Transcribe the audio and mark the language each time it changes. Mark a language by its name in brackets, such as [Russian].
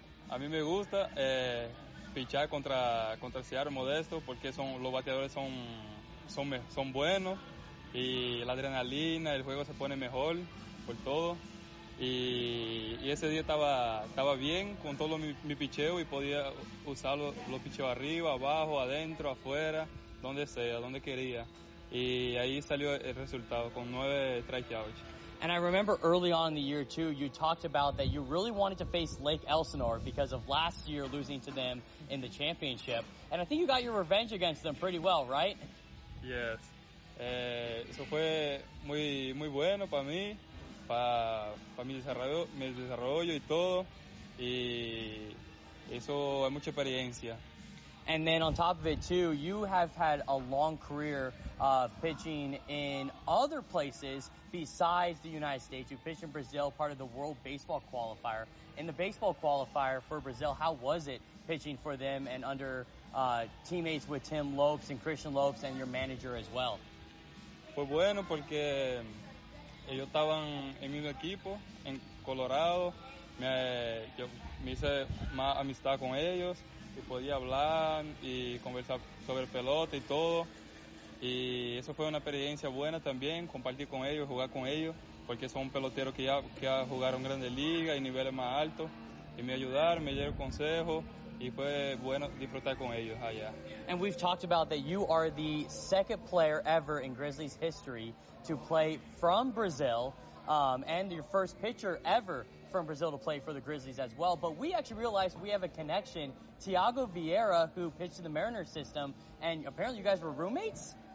[Spanish] A mí me gusta pichar contra Seattle Modesto, porque los bateadores son buenos, y la adrenalina, el juego se pone mejor por todo. Y ese día estaba bien con todo mi picheo, y podía usar los picheos arriba, abajo, adentro, afuera, donde sea, donde quería. Y ahí salió el resultado con 9 strikeouts. [English] And I remember early on in the year too, you talked about that you really wanted to face Lake Elsinore because of last year losing to them in the championship. And I think you got your revenge against them pretty well, right? Yes. [Spanish] Eso fue muy, muy bueno para mí, para mi desarrollo y todo. Y eso es mucha experiencia. [English] And then on top of it too, you have had a long career pitching in other places besides the United States. You pitched in Brazil, part of the World Baseball Qualifier. In the baseball qualifier for Brazil, how was it pitching for them and under teammates with Tim Lopes and Christian Lopes and your manager as well? [Spanish] Fue bueno porque ellos estaban en mi equipo en Colorado. Yo me hice más amistad con ellos. Y podía hablar y conversar sobre pelota y todo. Y eso fue una experiencia buena también, compartir con ellos, jugar con ellos, porque son peloteros que ya jugaron grandes ligas y niveles más altos. Y me ayudaron, me dieron consejos, y fue bueno disfrutar con ellos allá. [English] And we've talked about that you are the second player ever in Grizzlies history to play from Brazil, and your first pitcher ever from Brazil to play for the Grizzlies as well. But we actually realized we have a connection. Thiago Vieira, who pitched in the Mariners system, and apparently you guys were roommates?